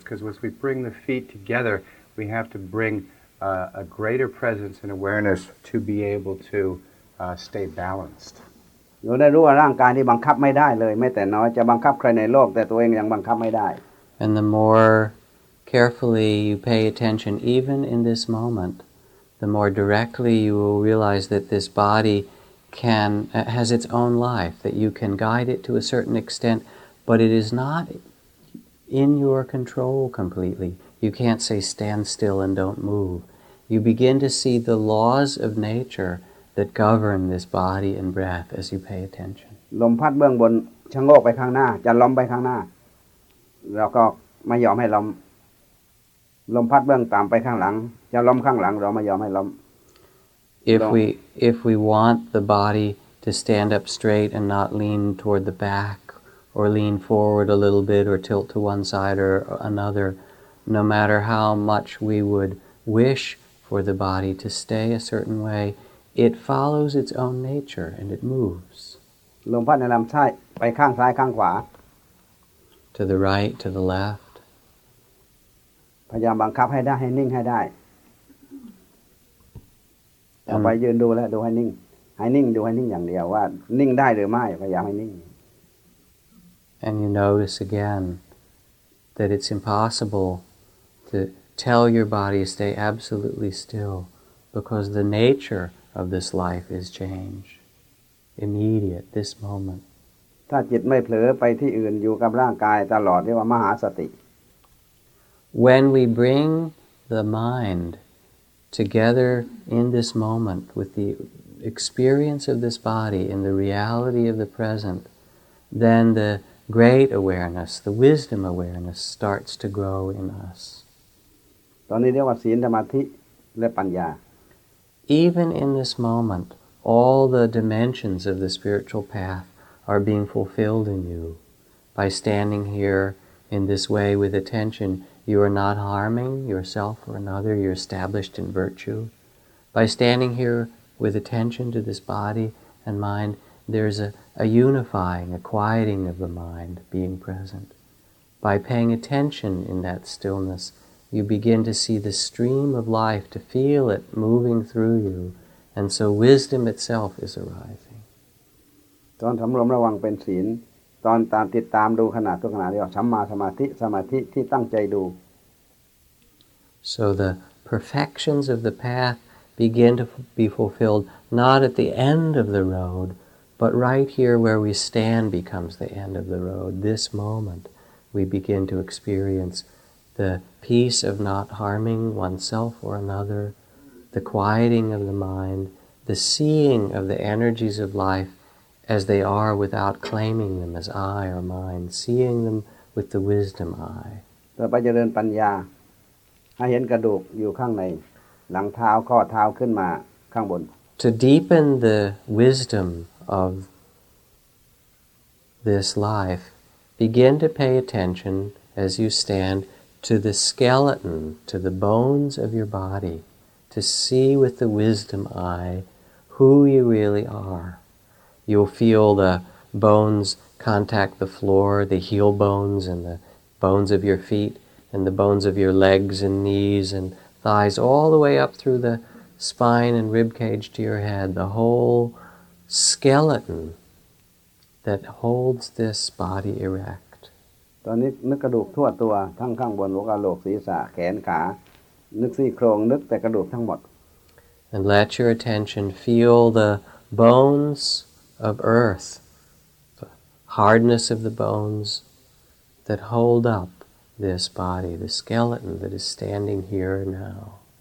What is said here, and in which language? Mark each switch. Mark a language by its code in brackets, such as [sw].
[en] Because as we bring the feet together, we have to bring... a greater presence and awareness to be able to stay balanced. You know, [th] รู้ว่าร่างกายนี้บังคับไม่ได้เลยแม้แต่น้อยจะบังคับใครในโลกแต่ตัวเองยังบังคับไม่ได้ [en] And the more carefully you pay attention, even in this moment, the more directly you will realize that this body has its own life, that you can guide it to a certain extent, but it is not in your control completely. You can't say stand still and don't move. You begin to see the laws of nature that govern this body and breath as you pay attention. [th] ลมพัดเบื้องบนชะโงกไปข้างหน้าจะล้มไปข้างหน้าแล้วก็ไม่ยอมให้ล้มลมพัดเบื้องต่ำไปข้างหลังจะล้มข้างหลังเราไม่ยอมให้ล้ม [en] If we want the body to stand up straight and not lean toward the back or lean forward a little bit or tilt to one side or another. No matter how much we would wish for the body to stay a certain way, it follows its own nature and it moves. [th] ลมพัดในลำไส้ไปข้างซ้ายข้างขวา [en] To the right, to the left. [th] พยายามบังคับให้ได้ให้นิ่งให้ได้เอาไปยืนดูแล้วดูให้นิ่งให้นิ่งดูให้นิ่งอย่างเดียวว่านิ่งได้หรือไม่พยายามให้นิ่ง [en] And you notice again. That it's impossible to tell your body to stay absolutely still because the nature of this life is change. Immediate, this moment. [th] ถ้าจิตไม่เผลอไปที่อื่นอยู่กับร่างกายตลอดเรียกว่ามหาสติ [en] When we bring the mind together in this moment with the experience of this body in the reality of the present, then the... Great awareness, the wisdom awareness, starts to grow in us. [th] ตอนนี้เรียกว่าศีลสมาธิและปัญญา [en] Even in this moment, all the dimensions of the spiritual path are being fulfilled in you. By standing here in this way with attention, you are not harming yourself or another. You're established in virtue. By standing here with attention to this body and mind, there's a unifying, a quieting of the mind being present. By paying attention in that stillness, you begin to see the stream of life, to feel it moving through you, and so wisdom itself is arising. [th] ตอนสำรวมระวังเป็นศีลตอนตามติดตามดูขณะทุกขณะเรียกสัมมาสมาธิสมาธิที่ตั้งใจดู [en] So the perfections of the path begin to be fulfilled not at the end of the road,But right here where we stand becomes the end of the road. This moment, we begin to experience the peace of not harming oneself or another, the quieting of the mind, the seeing of the energies of life as they are without claiming them as I or mine, seeing them with the wisdom I. [th] ต่อไปเจริญปัญญาให้เห็นกระดูกอยู่ข้างในหลังเท้าข้อเท้าขึ้นมาข้างบน [en] To deepen the wisdomOf this life, begin to pay attention as you stand to the skeleton, to the bones of your body, to see with the wisdom eye who you really are. You'll feel the bones contact the floor, the heel bones and the bones of your feet and the bones of your legs and knees and thighs all the way up through the spine and rib cage to your head, the whole... skeleton that holds this body erect. [th] ตอนนี้นึกกระดูกทั่วตัวทั้งข้างบนหัวกะโหลกศีรษะแขนขานึกซี่โครงนึกแต่กระดูกทั้งหมด [en] And let your attention feel the bones of earth, the hardness of the bones that hold up this body, the skeleton that is standing here now.